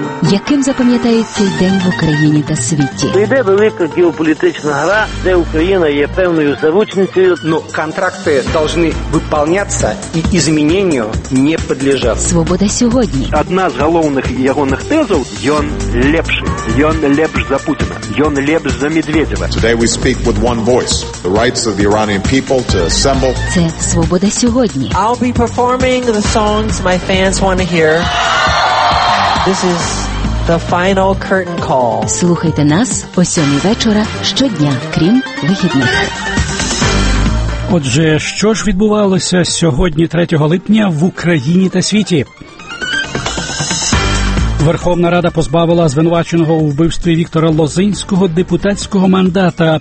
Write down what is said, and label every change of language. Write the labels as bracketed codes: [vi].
[uk] яким запам'ятається день в Україні та світі. Іде велика геополітична гра, де Україна є певною заручницею. Ну, контракти повинні виконуватися і зміненню не підлежати. Свобода сьогодні. Одна з головних ягонних тезів – «Йон лепший». «Йон лепш за Путіна». «Йон лепш за Медведєва». [en] Today we speak with one voice. The rights of the Iranian people to assemble. [uk] Це «Свобода сьогодні». [en] I'll be performing the songs my fans want to hear. This is the final curtain call. [uk] Слухайте нас о 7 вечора щодня, крім вихідних. Отже, що ж відбувалося сьогодні, 3 липня, в Україні та світі? Верховна Рада позбавила звинуваченого у вбивстві Віктора Лозинського депутатського мандата.